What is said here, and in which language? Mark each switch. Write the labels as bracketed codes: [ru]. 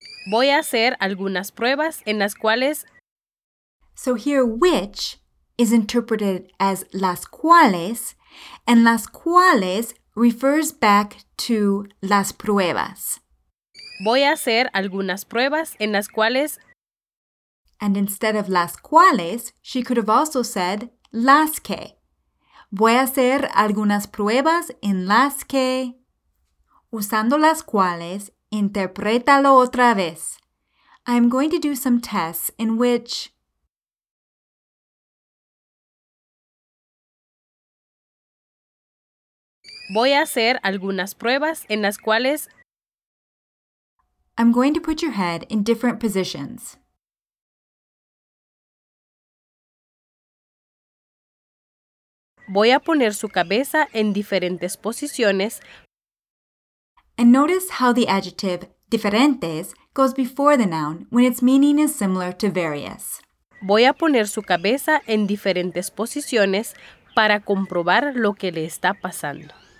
[es] Voy a hacer algunas pruebas en las cuales... [en] So here, which is interpreted as las cuales, and las cuales refers back to las pruebas. [es] Voy a hacer algunas pruebas en las cuales... [en] And instead of las cuales, she could have also said las que. [es] Voy a hacer algunas pruebas en las que... Usando las cuales, interprétalo otra vez. [en] I'm going to do some tests in which... [es] Voy a hacer algunas pruebas en las cuales... [en] I'm going to put your head in different positions. [es] Voy a poner su cabeza en diferentes posiciones. [en] And notice how the adjective diferentes goes before the noun when its meaning is similar to various. [es] Voy a poner su cabeza en diferentes posiciones para comprobar lo que le está pasando.